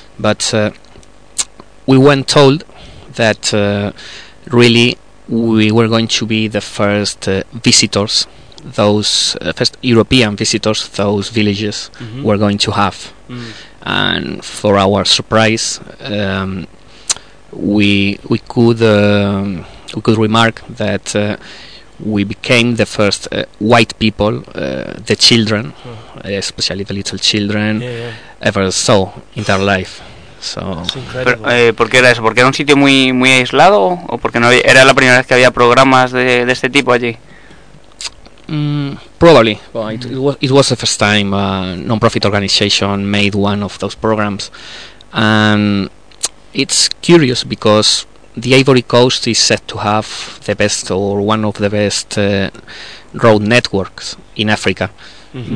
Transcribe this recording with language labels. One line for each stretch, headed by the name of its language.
English: But we weren't told that really we were going to be the first visitors, those first European visitors, those villages mm-hmm. were going to have. Mm. And for our surprise, we could remark that we became the first white people, the children, oh. Especially the little children, yeah. ever saw in their life. So.
Spanish: Pero, ¿por qué era eso? ¿Por qué era un sitio muy muy aislado o porque no había, era la primera vez que había programas de este tipo allí?
English: Probably. Well, it was the first time a non-profit organization made one of those programs. And it's curious because the Ivory Coast is said to have the best or one of the best road networks in Africa. Mm-hmm.